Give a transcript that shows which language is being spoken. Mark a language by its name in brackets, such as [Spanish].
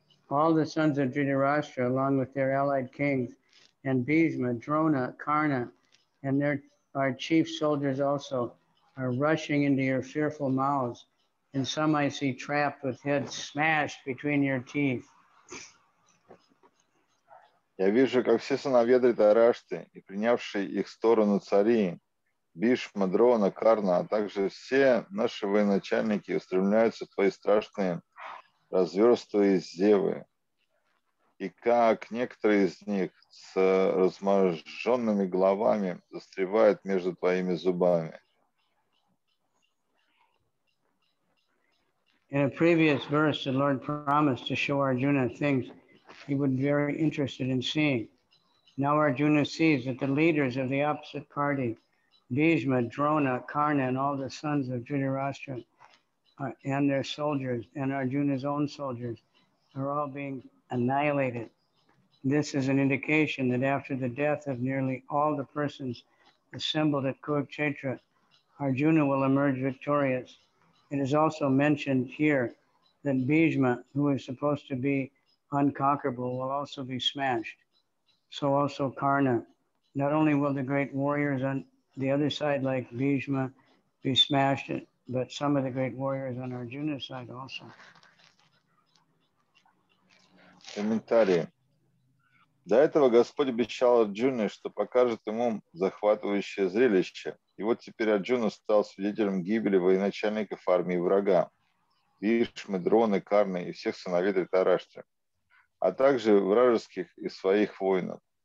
[English] All the sons of Dhritarashtra, along with their allied kings, and Bhishma, Drona, Karna, and our chief soldiers also, are rushing into your fearful mouths. And some I see trapped with heads smashed between your teeth. [Russian] Я вижу, как все сыновья Дхритарашты и принявшие их сторону цари, Бхишма, Дрона, Карна, а также все наши военачальники устремляются в твои страшные разверстые зевы. И как некоторые из них с размаженными головами застревают между твоими зубами. [English] In a previous verse, the Lord promised to show Arjuna things he would be very interested in seeing. Now Arjuna sees that the leaders of the opposite party, Bhishma, Drona, Karna, and all the sons of Dhritarashtra, and their soldiers, and Arjuna's own soldiers, are all being annihilated. This is an indication that after the death of nearly all the persons assembled at Kurukshetra, Arjuna will emerge victorious. It is also mentioned here that Bhishma, who is supposed to be unconquerable, will also be smashed. So also Karna. Not only will the great warriors on the other side like Bhishma be smashed, but some of the great warriors on Arjuna's side also. [Russian] Комментарии. До этого Господь обещал Арджуне, что покажет ему захватывающее зрелище. И вот теперь Арджуна стал свидетелем гибели военачальников армии врага, Бхишмы, Дроны, Карны и всех сыновей Дхритарашты, а также вражеских и своих воинов.